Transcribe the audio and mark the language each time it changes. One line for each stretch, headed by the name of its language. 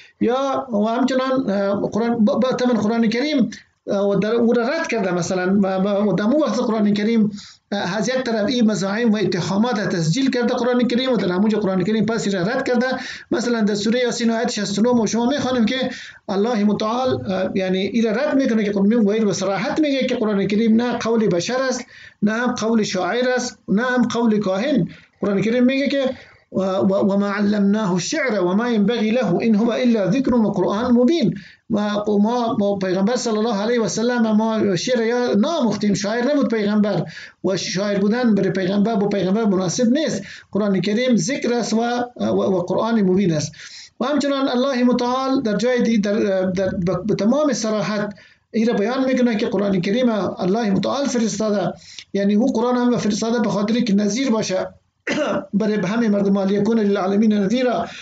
Persian: یا و همچنان قرآن کریم و در او را رد کرده، مثلا و در مو وقت قرآن کریم از یک طرف این مزاعم و اتهامات تسجیل کرده قرآن کریم و در همونجا قرآن کریم پس را رد کرده. مثلا در سوره یاسین آیت 69 ما شما میخوانیم که الله متعال یعنی این رد میکنه که قرآن کریم و این بصراحت میگه که قرآن کریم نه قول بشر است، نه هم قول شاعر است، نه هم قول کاهن. قرآن کریم میگه که
Arabic: وما علمناه الشعر وما ينبغي له إن هو إلا ذكر وقرآن مبين.
Persian: ما پیغمبر صلی الله علیه و سلم ما شعر یا نامختیم، شاعر نبود پیغمبر و شاعر بودن برای پیغمبر با پیغمبر مناسب نیست. قرآن کریم ذکر است و قرآن مبین است. و همچنان الله متعال در جای دی در تمام صراحت این را بیان میکنه که قرآن کریم الله متعال فرستاده، یعنی او قرآن هم فرستاده به خاطر که نظیر باشه برای همه مردم، لیکن
Arabic: للعالمین نذیرا.